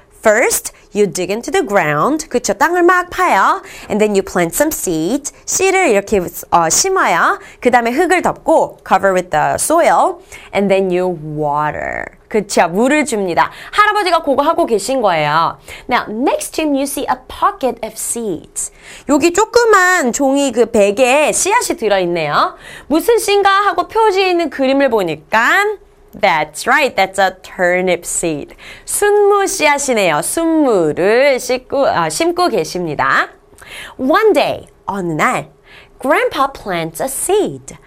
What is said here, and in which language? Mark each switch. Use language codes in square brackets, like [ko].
[en] First, you dig into the ground. [ko] 그쵸, 땅을 막 파요. [en] And then you plant some seeds. [ko] 씨를 이렇게 심어요. 그 다음에 흙을 덮고, [en] cover with the soil. And then you water. [ko] 그쵸, 물을 줍니다. 할아버지가 그거 하고 계신 거예요. [en] Now, next to him, you see a pocket of seeds. [ko] 여기 조그만 종이 그 베개에 씨앗이 들어있네요. 무슨 씨인가 하고 표지에 있는 그림을 보니까 [en] That's right. That's a turnip seed. [ko] 순무 씨앗이네요. 순무를 심고 계십니다. [en] One day, [ko] 어느 날, [en] Grandpa plants a seed.